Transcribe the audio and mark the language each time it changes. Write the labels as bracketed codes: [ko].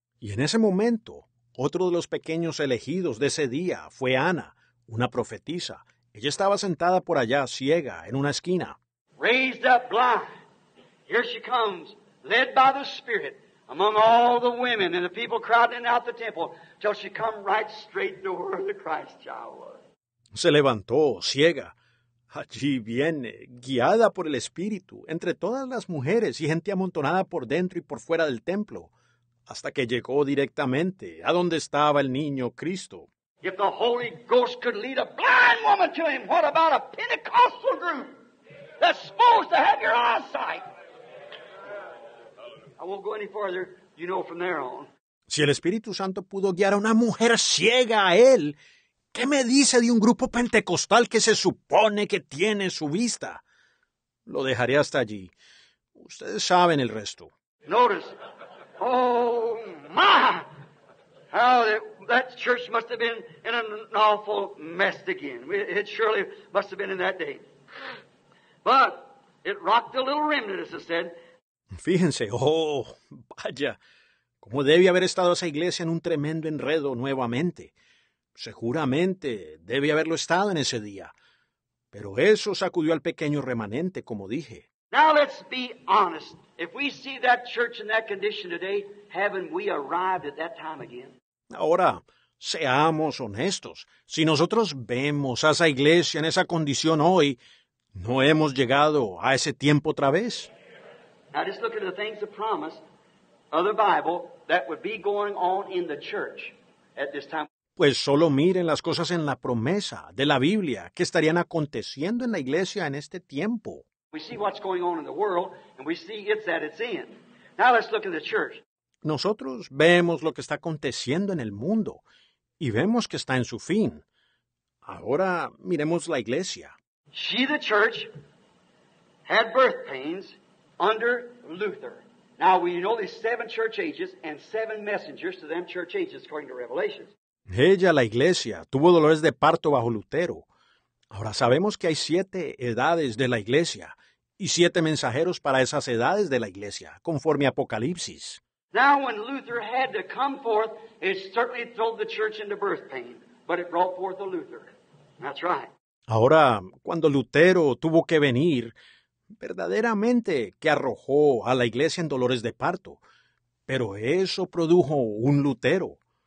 [es] Y en ese momento, otro de los pequeños elegidos de ese día fue Ana, una profetisa. Ella estaba sentada por allá, ciega, en una esquina. [en] Raised up blind. Here she comes, led by the Spirit. Among all the women and the people crowding out the temple, till she come right straight to where the Christ child was. [es] Se levantó, ciega, Allí viene, guiada por el Espíritu, entre todas las mujeres y gente amontonada por dentro y por fuera del templo, hasta que llegó directamente a donde estaba el niño Cristo. [en] If the Holy Ghost could lead a blind woman to him, what about a Pentecostal group that's supposed to have your eyesight? I won't go any further, you know, from there on. [es] Si el Espíritu Santo pudo guiar a una mujer ciega a él, ¿qué me dice de un grupo pentecostal que se supone que tiene su vista? Lo dejaré hasta allí. Ustedes saben el resto. [en] Notice. Oh, my. How that church must have been in an awful mess again. It surely must have been in that day. But it rocked a little remnant, as I said. [es] Fíjense. Oh, vaya. ¿Cómo debe haber estado esa iglesia en un tremendo enredo nuevamente? Seguramente debe haberlo estado en ese día. Pero eso sacudió al pequeño remanente, como dije. [en] Now let's be honest. If we see that church in that condition today, haven't we arrived at that time again? [es] Ahora, seamos honestos. Si nosotros vemos a esa iglesia en esa condición hoy, ¿no hemos llegado a ese tiempo otra vez? [en] Now just look at the things that promised of the Bible that would be going on in the church at this time. [es] Pues solo miren las cosas en la promesa de la Biblia que estarían aconteciendo en la iglesia en este tiempo. [en] We see what's going on in the world, and we see it's at its end. Now let's look in the church. [es] Nosotros vemos lo que está aconteciendo en el mundo, y vemos que está en su fin. Ahora miremos la iglesia. [en] She, the church, had birth pains under Luther. Now we know there's seven church ages and seven messengers to them church ages according to Revelation. [es] Ella, la iglesia, tuvo dolores de parto bajo Lutero. Ahora sabemos que hay siete edades de la iglesia y siete mensajeros para esas edades de la iglesia, conforme a Apocalipsis. [en] Now when Luther had to come forth, it certainly threw the church into birth pain, but it brought forth a Luther. That's right. [es] Ahora, cuando Lutero tuvo que venir, verdaderamente que arrojó a la iglesia en dolores de parto, pero eso produjo un Lutero.